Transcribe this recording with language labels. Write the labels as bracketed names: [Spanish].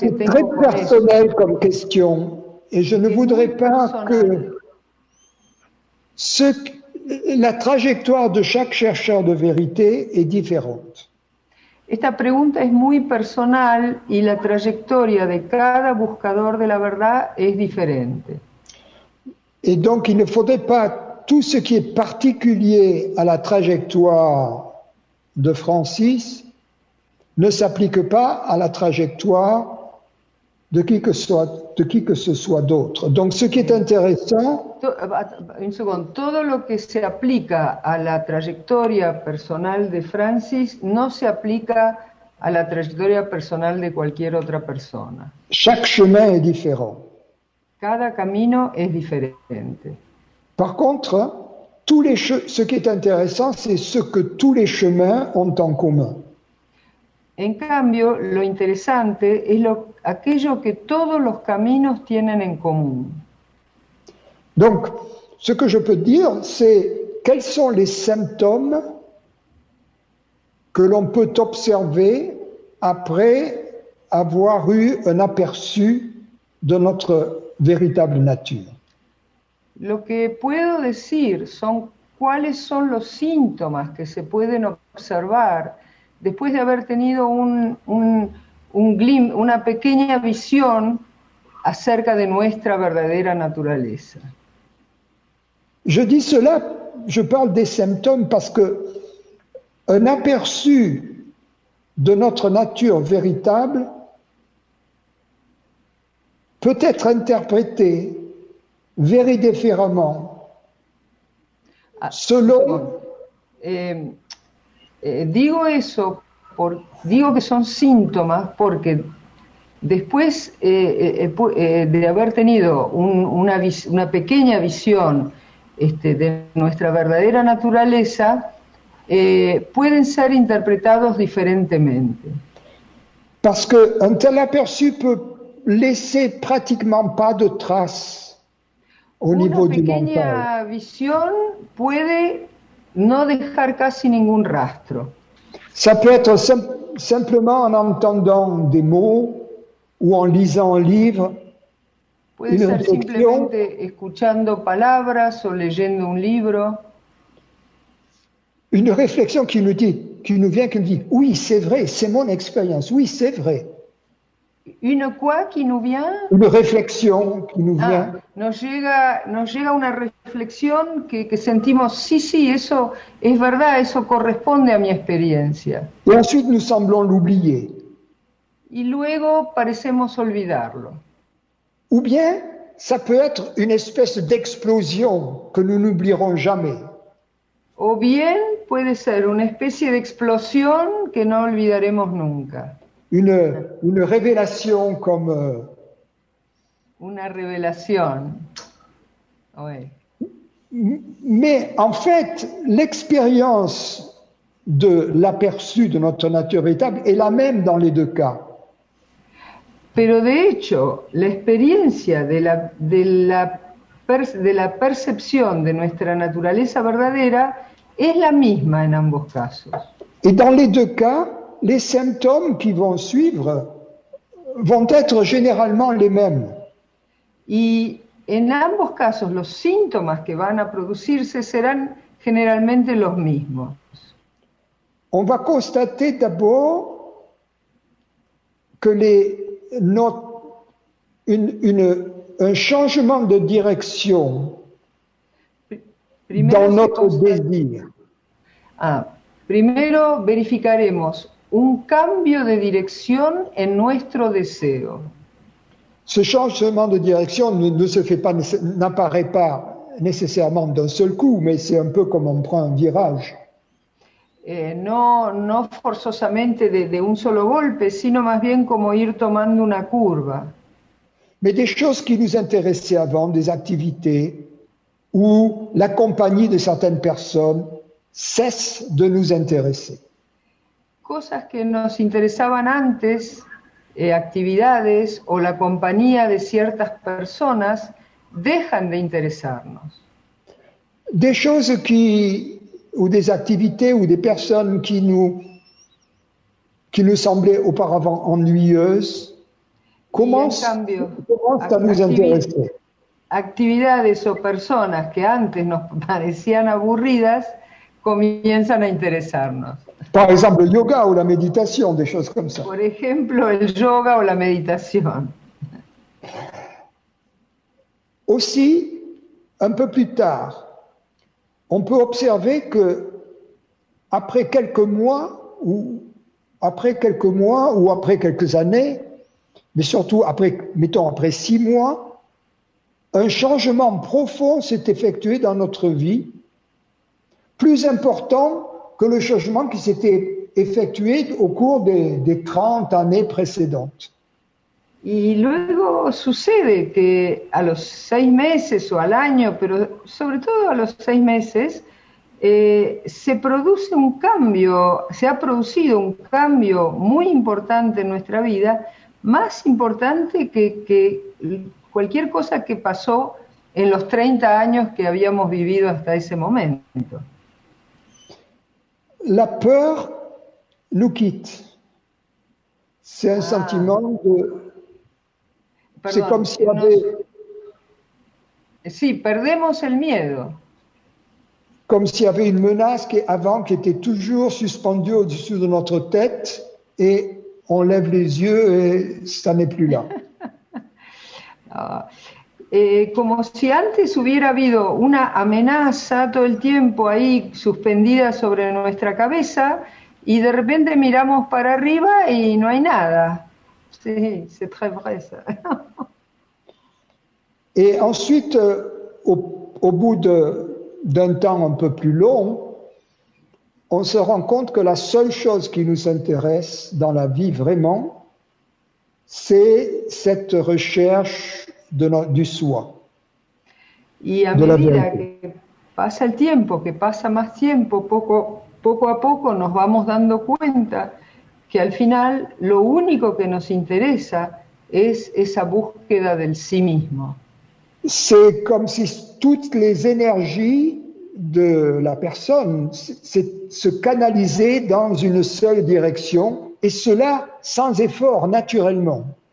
[French] c'est très personnel [Spanish] eso, [French] comme question, et je ne voudrais pas personnel. Que ce, la trajectoire de chaque chercheur de vérité est différente. [Spanish] Esta pregunta es muy personal y la trayectoria de cada buscador de la verdad es diferente. [French] Et donc, il ne faudrait pas tout ce qui est particulier à la trajectoire de Francis ne s'applique pas à la trajectoire de qui que ce soit d'autre. Donc, ce qui est intéressant… Une seconde. [Spanish] Todo lo que se aplica a la trayectoria personal de Francis no se aplica a la trayectoria personal de cualquier otra persona. [French] Chaque chemin est différent. [Spanish] Cada camino es diferente. [French] Par contre, ce qui est intéressant, c'est ce que tous les chemins ont en commun. [Spanish] En cambio, lo interesante es aquello que todos los caminos tienen en común. [French] Donc, ce que je peux dire, c'est quels sont les symptômes que l'on peut observer après avoir eu un aperçu de notre véritable nature. [Spanish] Lo que puedo decir son cuáles son los síntomas que se pueden observar después de haber tenido una pequeña visión acerca de nuestra verdadera naturaleza. [French] Je dis cela, je parle des symptômes parce que un aperçu de notre nature véritable peut être interprété [English] very [French] différemment selon. [Spanish] Digo eso, digo que son síntomas porque después de haber tenido una pequeña visión de nuestra verdadera naturaleza, pueden ser interpretados diferentemente. [French] Parce que un tel aperçu peut laisser pratiquement pas de traces au [Spanish] una [French] niveau du mental. Une petite vision peut ne laisser quasi [Spanish] ningún rastro. Ça peut être simplement en entendant des mots ou en lisant un livre. Puede ser simplemente escuchando palabras o leyendo un libro. [French] Une réflexion qui nous dit oui, c'est vrai, c'est mon expérience. Oui, c'est vrai. Une quoi qui nous vient? Une réflexion qui nous vient. [Spanish] Nos llega una reflexión que sentimos, sí, sí, eso es verdad, eso corresponde a mi experiencia. [French] Et ensuite nous semblons l'oublier. [Spanish] Y luego parecemos olvidarlo. [French] Ou bien ça peut être une espèce d'explosion que nous n'oublierons jamais. [Spanish] O bien puede ser una especie de explosión que no olvidaremos nunca. [French] une révélation comme... Une révélation, oui. Mais en fait, l'expérience de l'aperçu de notre nature véritable est la même dans les deux cas. [Spanish] Pero de hecho, la experiencia de la percepción de nuestra naturaleza verdadera es la misma en ambos casos. [French] Et dans les deux cas, les symptômes qui vont suivre vont être généralement les mêmes. [Spanish] Y en ambos casos, los síntomas que van a producirse serán generalmente los mismos. [French] On va constater d'abord que un changement de direction dans notre désir. [Spanish] Primero verificaremos un cambio de dirección en nuestro deseo. [French] Ce changement de direction n'apparaît pas nécessairement d'un seul coup, mais c'est un peu comme on prend un virage. [Spanish] No forzosamente de un solo golpe, sino más bien como ir tomando una curva. [French] Mais des choses qui nous intéressaient avant, des activités ou la compagnie de certaines personnes cesse de nous intéresser. [Spanish] Cosas que nos interesaban antes, actividades o la compañía de ciertas personas dejan de interesarnos. [French] Des choses qui ou des activités ou des personnes qui nous semblaient auparavant ennuyeuses commencent à nous intéresser. [Spanish] Actividades o personas que antes nos parecían aburridas comienzan a interesarnos. [French] Par exemple, le yoga ou la méditation, des choses comme ça. [Spanish] Por ejemplo, el yoga o la meditación. [French] Aussi, un peu plus tard, on peut observer que après quelques années, mais surtout après 6 mois, un changement profond s'est effectué dans notre vie, plus important que le changement qui s'était effectué au cours des 30 années précédentes. [Spanish] Y luego sucede que a los 6 meses o al año, pero sobre todo a los 6 meses, se ha producido un cambio muy importante en nuestra vida, más importante que cualquier cosa que pasó en los 30 años que habíamos vivido hasta ese momento. [French] La peur nous quitte. C'est un sentiment de... [Spanish] Perdón, [French] c'est comme si [Spanish] perdemos el miedo. [French] Comme s'il y avait une menace qui était toujours suspendue au-dessus de notre tête et on lève les yeux et ça n'est plus là. [Spanish] Como si antes hubiera habido una amenaza todo el tiempo ahí suspendida sobre nuestra cabeza y de repente miramos para arriba y no hay nada. Sí, [French] c'est très vrai ça. Et ensuite, au bout d'un temps un peu plus long, on se rend compte que la seule chose qui nous intéresse dans la vie vraiment, c'est cette recherche du soi. [Spanish] Y a medida que pasa el tiempo, que pasa más tiempo, poco a poco nos vamos dando cuenta que al final lo único que nos interesa es esa búsqueda del sí mismo. [French] C'est comme si toutes les énergies de la personne se canalisaient dans une seule direction, et cela sans effort, naturellement.